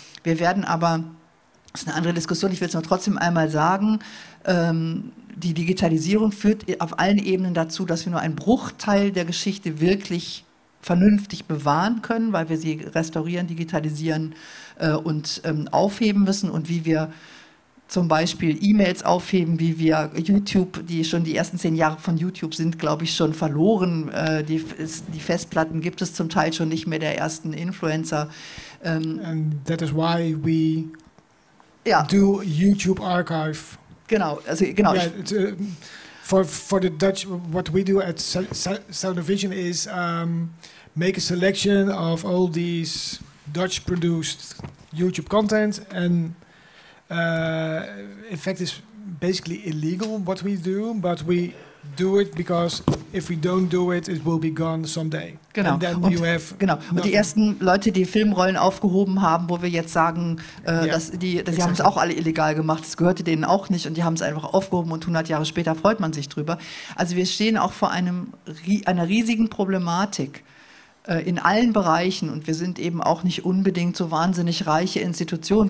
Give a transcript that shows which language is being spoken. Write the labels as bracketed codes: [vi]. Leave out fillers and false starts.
[de] Wir werden aber, das ist eine andere Diskussion, ich will es nur trotzdem einmal sagen, die Digitalisierung führt auf allen Ebenen dazu, dass wir nur einen Bruchteil der Geschichte wirklich vernünftig bewahren können, weil wir sie restaurieren, digitalisieren und aufheben müssen. Und wie wir zum Beispiel E-Mails aufheben, wie wir YouTube, die schon die ersten 10 Jahre von YouTube sind, glaube ich, schon verloren. Die Festplatten gibt es zum Teil schon nicht mehr der ersten Influencer. [en] And that is why we do YouTube Archive. [de] Genau, also genau. [en] Yeah, for the Dutch, what we do at Soundavision is make a selection of all these Dutch produced YouTube content and in fact it's basically illegal what we do, but we do it because if we don't do it, it will be gone someday. [de] Genau. Und die ersten Leute, die Filmrollen aufgehoben haben, wo wir jetzt sagen, dass die haben es auch alle illegal gemacht, das gehörte denen auch nicht und die haben es einfach aufgehoben und 100 Jahre später freut man sich drüber. Also wir stehen auch vor einer riesigen Problematik in allen Bereichen und wir sind eben auch nicht unbedingt so wahnsinnig reiche Institutionen.